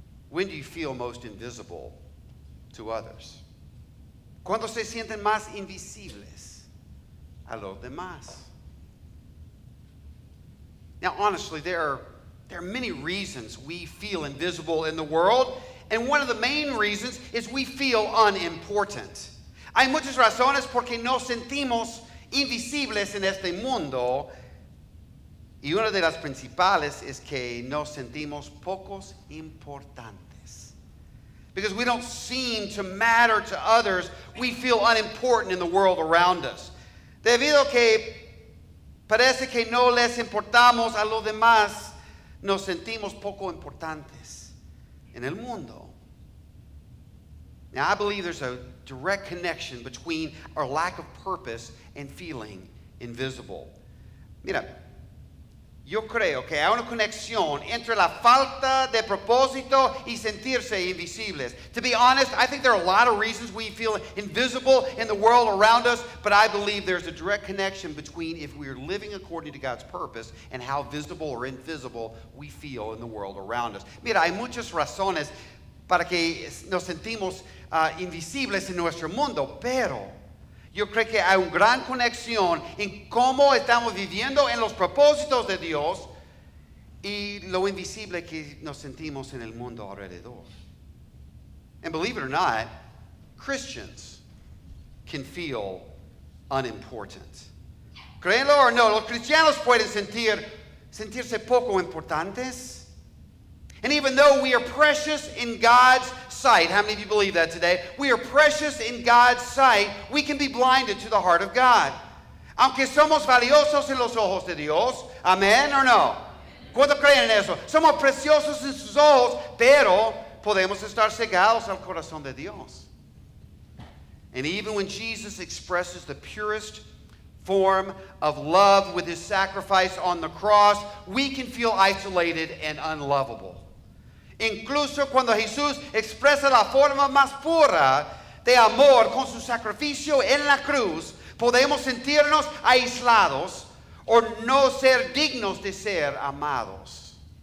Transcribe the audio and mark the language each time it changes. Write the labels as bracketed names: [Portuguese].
[English] When do you feel most invisible to others? [Spanish] ¿Cuándo se sienten más invisibles a los demás? [English] Now, honestly, there are many reasons we feel invisible in the world, and one of the main reasons is we feel unimportant. [Spanish] Hay muchas razones porque nos sentimos invisibles en este mundo, y una de las principales es que nos sentimos pocos importantes. [English] Because we don't seem to matter to others, we feel unimportant in the world around us. [Spanish] Debido que parece que no les importamos a los demás, nos sentimos poco importantes en el mundo. [English] Now, I believe there's a direct connection between our lack of purpose and feeling invisible. [Spanish] Mira, yo creo que hay una conexión entre la falta de propósito y sentirse invisibles. [English] To be honest, I think there are a lot of reasons we feel invisible in the world around us, but I believe there's a direct connection between if we are living according to God's purpose and how visible or invisible we feel in the world around us. [Spanish] Mira, hay muchas razones para que nos sentimos invisibles en nuestro mundo, pero yo creo que hay una gran conexión en cómo estamos viviendo en los propósitos de Dios y lo invisible que nos sentimos en el mundo alrededor. [English] And believe it or not, Christians can feel unimportant. [Spanish] Créanlo o no, los cristianos pueden sentirse poco importantes. [English] And even though we are precious in God's sight, how many of you believe that today? We are precious in God's sight. We can be blinded to the heart of God. [Spanish] Aunque somos valiosos en los ojos de Dios, amen or no? ¿Cuánto creen en eso? Somos preciosos en sus ojos, pero podemos estar cegados al corazón de Dios. [English] And even when Jesus expresses the purest form of love with his sacrifice on the cross, we can feel isolated and unlovable. [Spanish] Incluso cuando Jesús expresa la forma más pura de amor con su sacrificio en la cruz, podemos sentirnos aislados o no ser dignos de ser amados.